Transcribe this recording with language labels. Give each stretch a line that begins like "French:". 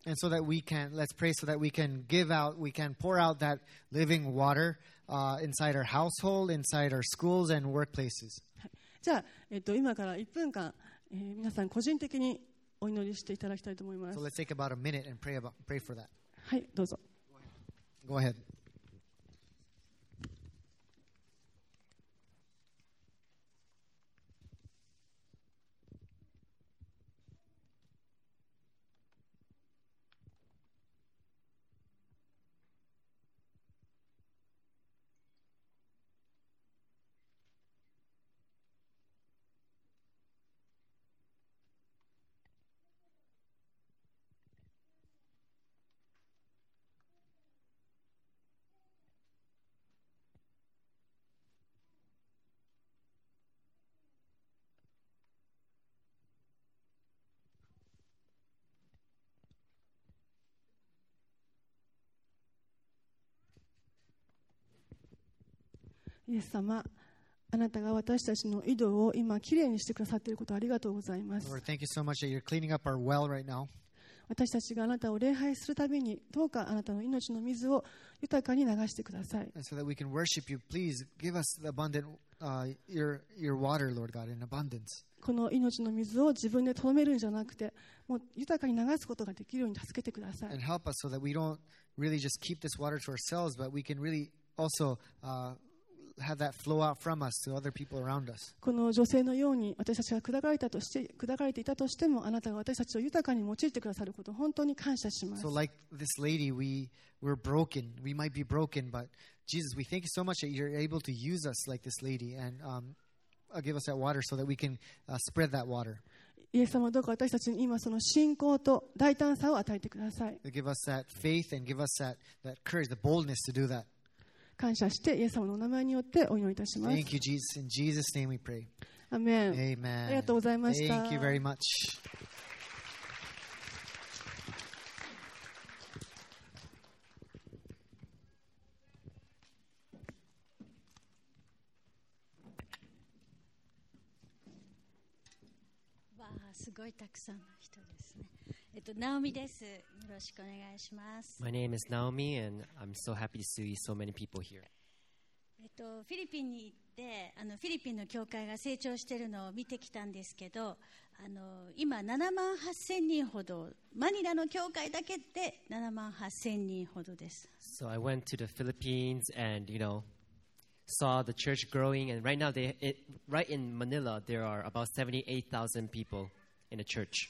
English: And so that we can, let's pray so that we can give out, we can pour out that living water, inside our household, inside our schools and workplaces.
Japanese: じゃあ、今から1分間皆さん個人的にお祈りしていただきたいと思います。
English: So let's take about a minute and pray for that.
Japanese: はい、どうぞ。
English: Go ahead.
Japanese: イエス様、あなたが私たちの井戸を今きれいにしてくださっていることをありがとうございます。
English: Lord, thank you so much that you're cleaning up our well right now.
Japanese: 私たちがあなたを礼拝するたびに、どうかあなたの命の水を豊かに流してください。
English: And so that we can worship you, please give us the abundant, your water, Lord God, in abundance.
Japanese: この命の水を自分で留めるんじゃなくて、もう豊かに流すことができるように助けてください。
English: And help us so that we don't really just keep this water to ourselves, but we can really also, have that flow out from us to other people around us.
Japanese: この女性のように私たちが砕かれていたとしても、あなたが私たちを豊かに用いてくださることを本当に感謝します。
English: So like this lady, we're broken. We might be broken, but Jesus, we thank you so much that you're able to use us like this lady and give us that water so that we can spread that water.
Japanese: イエス様どうか私たちに今その信仰と大胆さを与えてください。
English: Give us that faith and give us that courage, the boldness to do that.
Japanese: 感謝してイエス様のお名前によってお祈りいたします。
English: Thank you, Jesus. In Jesus' name we pray. Amen. Amen.
Japanese: ありがとうございました。
English: Thank you very much.
Japanese: すごいたくさんの人ですね。ナオミです。よろしくお願いします。
English: My name is Naomi and I'm so happy to see so many people here.
Japanese: フィリピンに行って、フィリピンの教会が成長しているのを見てきたんですけど、今7万8000人ほど、マニラの教会だけで7万8000人ほどです。
English: So I went to the Philippines and, you know,saw the church growing, and right now, right in Manila, there are about 78,000 people in the church.